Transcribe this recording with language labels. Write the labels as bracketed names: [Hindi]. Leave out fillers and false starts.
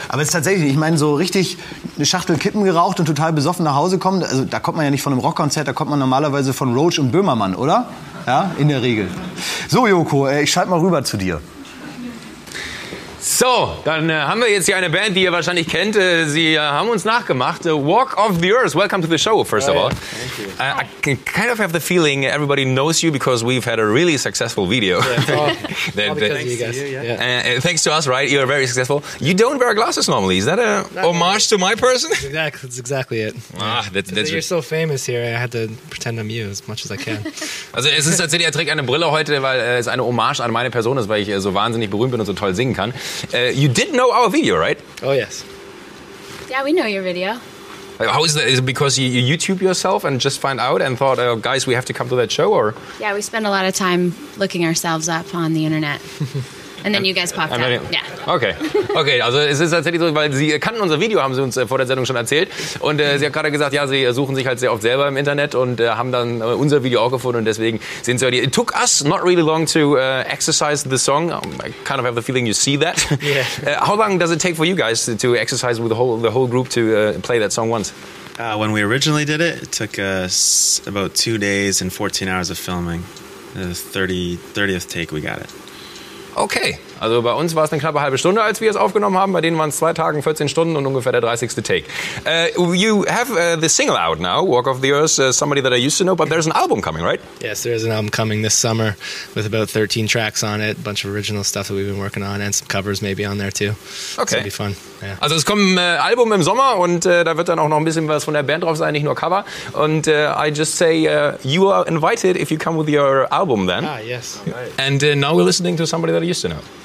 [German] Aber es ist tatsächlich, ich meine, so richtig eine Schachtel Kippen geraucht und total besoffen nach Hause kommen, also da kommt man ja nicht von einem Rockkonzert, da kommt man normalerweise von Roach und Böhmermann, oder? Ja, in der Regel. So, Joko, ich schalte mal rüber zu dir. So, dann haben wir jetzt hier eine Band, die ihr wahrscheinlich kennt. Sie haben uns nachgemacht. [English] Walk of the Earth, welcome to the show, first of all. Thank you. I can kind of have the feeling everybody knows you because we've had a really successful video. Yeah, all because of you guys. Thanks to us, right? You're very successful. You don't wear glasses normally. Is that a homage to my person? That's exactly it. Ah, that's you're so famous here, I had to pretend I'm you as much as I can. [German] Also es ist tatsächlich, er trägt eine Brille heute, weil es eine Hommage an meine Person ist, weil ich so wahnsinnig berühmt bin und so toll singen kann. [English] You did know our video, right? Oh, yes. Yeah, we know your video. How is that? Is it because you YouTube yourself and just find out and thought, oh, guys, we have to come to that show? Or? Yeah, we spend a lot of time looking ourselves up on the internet. And then you guys popped up. Yeah. [German] Okay, also es ist tatsächlich so, weil Sie kannten unser Video, haben Sie uns vor der Sendung schon erzählt. Und Sie hat gerade gesagt, ja, Sie suchen sich halt sehr oft selber im Internet und haben dann unser Video auch gefunden. Und deswegen sind Sie heute hier. [English] It took us not really long to exercise the song. I kind of have the feeling you see that. Yeah. How long does it take for you guys to exercise with the whole group to play that song once? When we originally did it, it took us about 2 days and 14 hours of filming. The 30th take we got it. Okay, [German] Also bei uns war es eine knappe halbe Stunde, als wir es aufgenommen haben. Bei denen waren es 2 Tage, 14 Stunden und ungefähr der 30. Take. [English] You have the single out now, Walk of the Earth, somebody that I used to know, but there's an album coming, right? Yes, there is an album coming this summer with about 13 tracks on it, a bunch of original stuff that we've been working on and some covers maybe on there too. Okay. It's gonna be fun. Yeah. [German] Also es kommt ein Album im Sommer und da wird dann auch noch ein bisschen was von der Band drauf sein, nicht nur Cover. [English] Und I just say, you are invited if you come with your album then. Ah, yes. And now we're listening to somebody that I used to know.